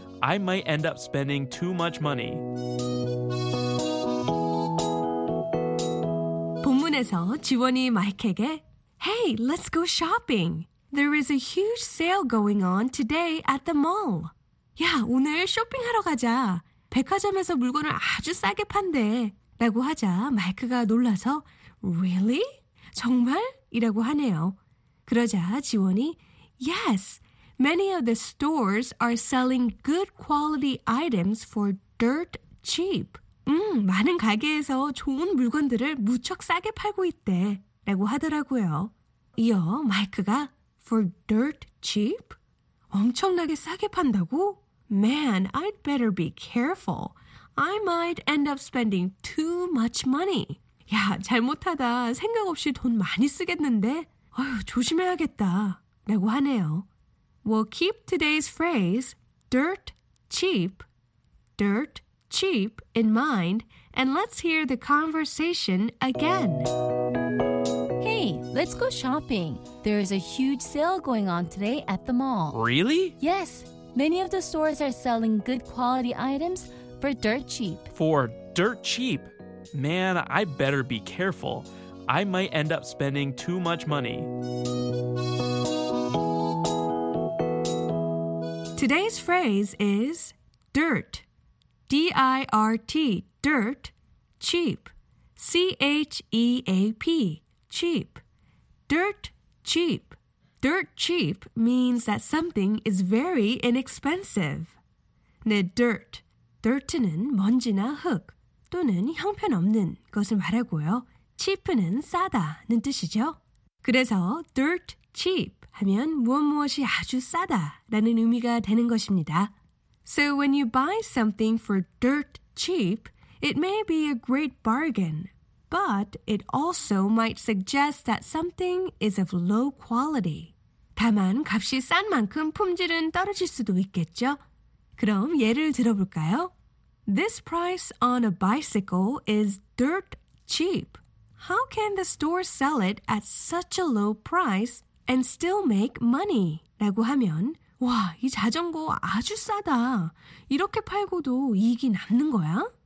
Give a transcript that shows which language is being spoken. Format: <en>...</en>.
<en>I might end up spending too much money.</en> <ko>본문에서 지원이 마이크에게</ko> <en>Hey, let's go shopping. There is a huge sale going on today at the mall.</en> <ko>야, 오늘 쇼핑하러 가자. 백화점에서 물건을 아주 싸게 판대. 라고 하자 마이크가 놀라서</ko> <en>Really?</en> <ko>정말? 이라고 하네요. 그러자 지원이</ko> <en>Yes, many of the stores are selling good quality items for dirt cheap.</en> <ko>많은 가게에서 좋은 물건들을 무척 싸게 팔고 있대 라고 하더라고요. 이어 마이크가</ko> <en>For dirt cheap?</en> <ko>엄청나게 싸게 판다고?</ko> <en>Man, I'd better be careful. I might end up spending too much money.</en> <ko>야, 잘못하다 생각 없이 돈 많이 쓰겠는데 어휴, 조심해야겠다 라고 하네요.</ko> <en>Well, keep today's phrase dirt cheap, dirt cheap. Cheap in mind, and let's hear the conversation again. Hey, let's go shopping. There is a huge sale going on today at the mall. Really? Yes. Many of the stores are selling good quality items for dirt cheap. For dirt cheap? Man, I better be careful. I might end up spending too much money. Today's phrase is dirt. D-I-R-T, dirt, cheap. C-H-E-A-P, cheap. Dirt, cheap. Dirt cheap means that something is very inexpensive.</en> <ko>네, dirt. Dirt는 먼지나 흙 또는 형편없는 것을 말하고요. cheap는 싸다는 뜻이죠. 그래서 dirt cheap 하면 무엇무엇이 아주 싸다라는 의미가 되는 것입니다.</ko> <en>So when you buy something for dirt cheap, it may be a great bargain, but it also might suggest that something is of low quality.</en> <ko>다만 값이 싼 만큼 품질은 떨어질 수도 있겠죠? 그럼 예를 들어볼까요?</ko> <en>This price on a bicycle is dirt cheap. How can the store sell it at such a low price and still make money?</en> <ko>라고 하면 와, 이 자전거 아주 싸다. 이렇게 팔고도 이익이 남는 거야?</ko>